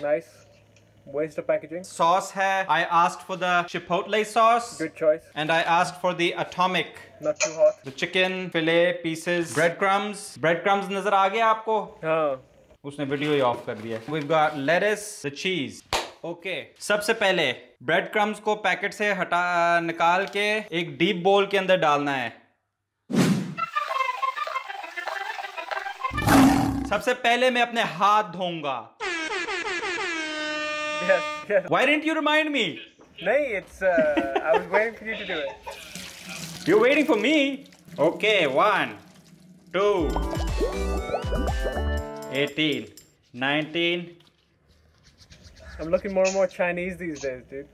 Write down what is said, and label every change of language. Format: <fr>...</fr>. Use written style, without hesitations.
<en>Nice. Waste of packaging.</en> <hi>Sauce hai.</hi> <en>I asked for the chipotle sauce. Good choice. And I asked for the atomic. Not too hot. The chicken fillet pieces. Breadcrumbs. Breadcrumbs</en> <hi>nazar aa gaye aapko? Haan. Usne video hi off kar diya.</hi> <en>We've got lettuce, the cheese.</en> <hi>Okay सबसे पहले bread crumbs को packet से हटा निकाल के एक deep बोल के अंदर डालना है. सबसे पहले मैं अपने हाथ धोऊंगा.</hi> <en>Why didn't you remind me?</en> <hi>नहीं,</hi> <en>it's I was waiting for you to do it. You're waiting for me? Okay, 1, 2, 18, 19. I'm looking more and more Chinese these days, dude.</en>